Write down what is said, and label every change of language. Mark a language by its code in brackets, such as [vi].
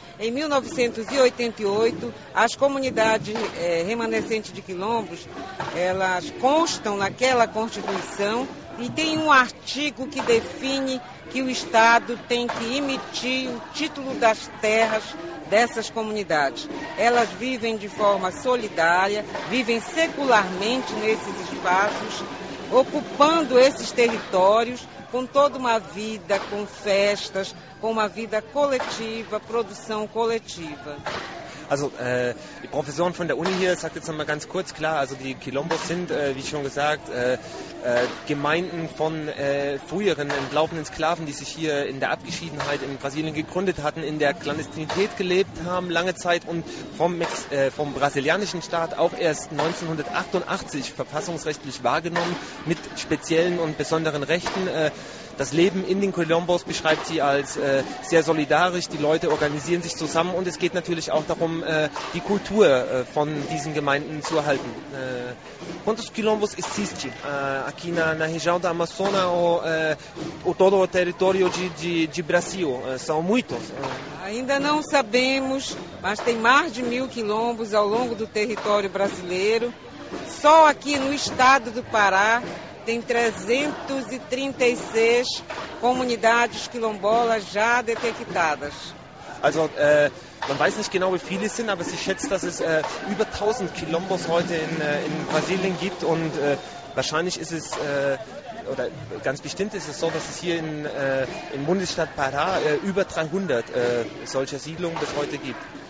[pt] Em 1988, as comunidades remanescentes de quilombos, elas constam naquela Constituição e tem um artigo que define que o Estado tem que emitir o título das terras dessas comunidades. Elas vivem de forma solidária, vivem secularmente nesses espaços, ocupando esses territórios com toda uma vida, com festas, com uma vida coletiva, produção coletiva. [de] Also, die Professorin von der Uni hier sagt jetzt nochmal ganz kurz, klar, also die Quilombos sind, wie schon gesagt, Gemeinden von früheren entlaufenen Sklaven, die sich hier in der Abgeschiedenheit in Brasilien gegründet hatten, in der Klandestinität gelebt haben lange Zeit und vom brasilianischen Staat auch erst 1988 verfassungsrechtlich wahrgenommen mit speziellen und besonderen Rechten. Das Leben in den Quilombos beschreibt sie als sehr solidarisch, die Leute organisieren sich zusammen und es geht natürlich auch darum, die Kultur von diesen Gemeinden zu erhalten. [pt] Quantos quilombos existem aqui na região da Amazônia ou todo o território de Brasil? São muitos? Ainda não sabemos, mas tem mais de 1000 quilombos ao longo do território brasileiro. Só aqui no estado do Pará tem 336 comunidades quilombolas já detectadas. [de] Also, man weiß nicht genau, wie viele es sind, aber sie schätzt, dass es über 1000 Quilombos heute in Brasilien gibt. Und wahrscheinlich ist es, oder ganz bestimmt ist es so, dass es hier in Bundesstaat Pará über 300 solcher Siedlungen bis heute gibt.